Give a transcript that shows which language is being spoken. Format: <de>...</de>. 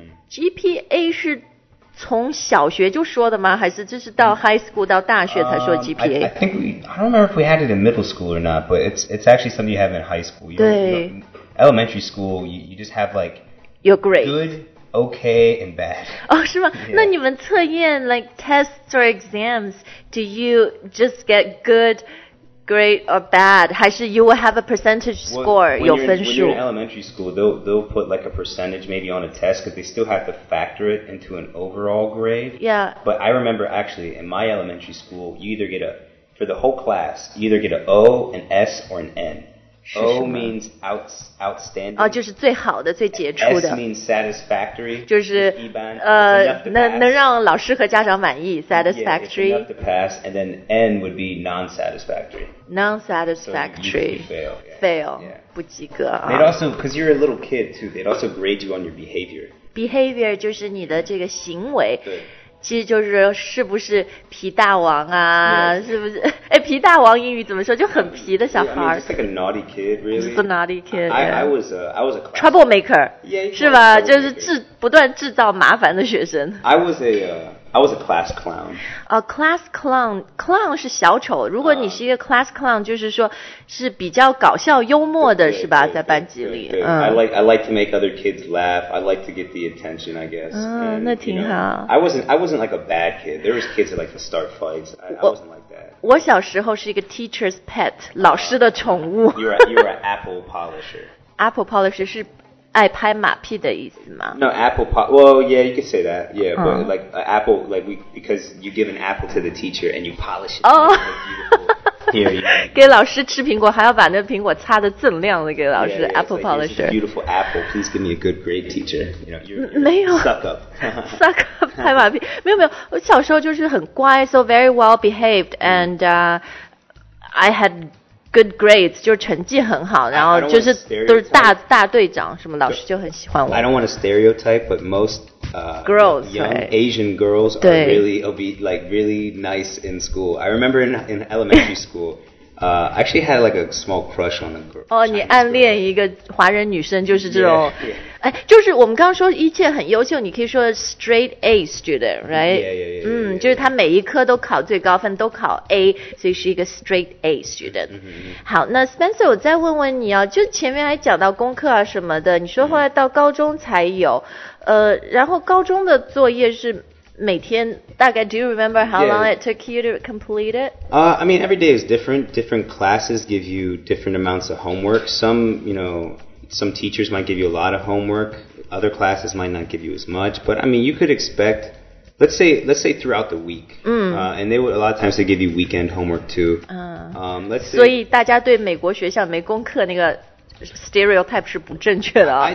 <zh>GPA 是从小学就说的吗？还是就是到 high school 到大学才说 GPA?</zh> <en>I don't remember if we had it in middle school or not, but it's actually something you have in high school.</en> <zh>对。</zh> <en>Elementary school, you just have like your grade. Good. Okay and bad.</en> <zh>Oh, 是吗？</zh> <en>Yeah.</en> <zh>那你们测验</zh> <en>like tests or exams, do you just get good, great or bad?</en> <zh>还是</zh> <en>you will have a percentage score, well,</en> <zh>有分数？</zh> <en>When you're in elementary school, they'll put like a percentage maybe on a test because they still have to factor it into an overall grade. Yeah. But I remember actually in my elementary school, you either get a, for the whole class, you either get an O, an S or an N. O means outstanding.</en> <zh>哦，就是最好的，最杰出的。</zh> <en>S means satisfactory.</en> <zh>就是一般。能让老师和家长满意 ，satisfactory.</zh> <en>Yeah, it's enough to pass, and then N would be non-satisfactory. Non-satisfactory. So you fail. Yeah. Fail. Yeah.</en> <zh>不及格啊。</zh> <en>They'd also, because you're a little kid too, they'd also grade you on your behavior.</en> <zh>Behavior 就是你的这个行为。对。其实就是是不是皮大王啊、</zh> <en>yes.</en> <zh>是不是哎，皮大王英语怎么说就很皮的小孩</zh> <en>yeah, I mean, just like a naughty kid really just a naughty kid I was a troublemaker yeah, yeah,</en> <zh>是吧就是不断制造麻烦的学生</zh> <en>I was a class clown</en> <zh>class clown 是小丑如果你是一个 class clown 就是说是比较搞笑幽默的是吧在班级里</zh> <en>I like to make other kids laugh I like to get the attention I guess</en> <zh>and, 那挺好</zh> <en>you know, I wasn't like a bad kid there was kids that like to start fights I wasn't like that</en> <zh>我小时候是一个 teacher's pet 老师的宠物</zh> <en>you're an apple polisher</en> <zh>apple polisher 是爱拍马屁的意思吗</zh> <en>No, apple pop. Well, yeah, you could say that. Yeah, but like apple, like we, because you give an apple to the teacher and you polish it. Oh. Here,</en> <zh>给老师吃苹果，还要把那苹果擦得锃亮的给老师 apple polisher.</zh> <en>Here's a beautiful apple. Please give me a good grade, teacher. You know, you're suck up.</en> <zh>suck up, 拍马屁。没有没有，我小时候就是很乖</zh> <en>，so very well behaved, and I had. Good grades,</en> <zh>就是成绩很好然后就是都是大队长什么老师就很喜欢我。</zh> <en>I don't want to stereotype, but most girls, young Asian girls are really, like, really nice in school. I remember in elementary school, I actually had like a small crush on a girl.</en> <zh>哦，你暗恋一个华人女生就是这种</zh> <en>yeah, yeah.</en> <zh>哎，就是我们刚刚说一切很优秀，你可以说 straight A student, right?</zh> <en>Yeah, yeah, yeah, yeah, yeah, yeah.</en> <zh>嗯，就是他每一科都考最高分，都考 A, 所以是一个 straight A student. Mm-hmm. 好，那 Spencer, 我再问问你啊，就前面还讲到功课啊什么的，你说后来到高中才有， mm-hmm. 然后高中的作业是每天大概</zh> <en>Do you remember how long it took you to complete it? I mean, every day is different. Different classes give you different amounts of homework. Some teachers might give you a lot of homework. Other classes might not give you as much. But, I mean, you could expect, let's say throughout the week. And they would, a lot of times they give you weekend homework, too. Let's say,</en> <zh>所以大家对美国学校没功课那个 stereotype 是不正确的啊。</zh>